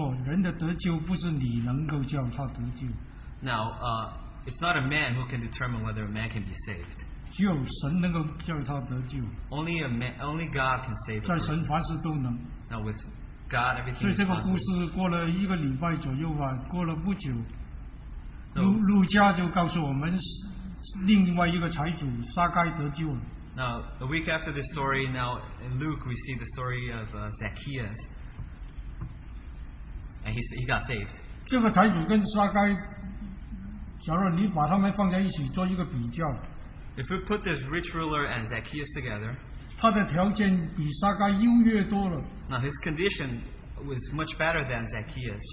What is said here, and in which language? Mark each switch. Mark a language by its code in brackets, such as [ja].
[zh] 不错，人的得救不是你能够叫他得救。 [en] Now, it's not a man who can determine whether a man can be saved. Only God can save us. [zh] 在神凡事都能。 [en] Now with God, everything is possible. [zh] 所以这个故事过了一个礼拜左右吧，过了不久，路加就告诉我们，另外一个财主撒该得救了。 [en] Now, a week after this story, now in Luke, we see the story of Zacchaeus. And he got saved. [zh] 这个财主跟撒该，假如你把他们放在一起做一个比较。 [en] If we put this rich ruler and Zacchaeus together, now his condition was much better than Zacchaeus.